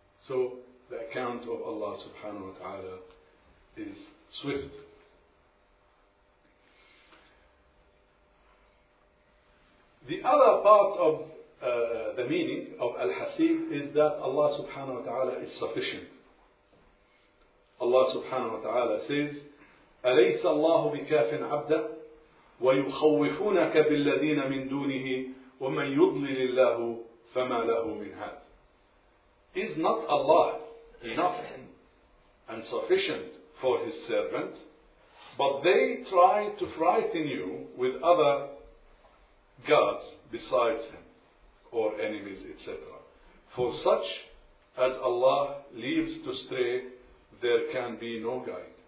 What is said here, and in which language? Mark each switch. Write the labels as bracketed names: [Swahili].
[English] So the account of Allah subhanahu wa ta'ala is swift. The other part of the meaning of Al-Hasib is that Allah subhanahu wa ta'ala is sufficient. Allah subhanahu wa ta'ala says, [Arabic] أَلَيْسَ اللَّهُ بِكَافٍ عَبْدًا وَيُخَوِّفُونَكَ بِالَّذِينَ مِنْ دُونِهِ وَمَنْ يُضْلِلِ اللَّهُ فَمَا لَهُ مِنْ هَادٍ. [English] Is not Allah enough and sufficient for His servant? But they try to frighten you with other gods besides Him, or enemies, etc. For such as Allah leaves to stray, there can be no guide.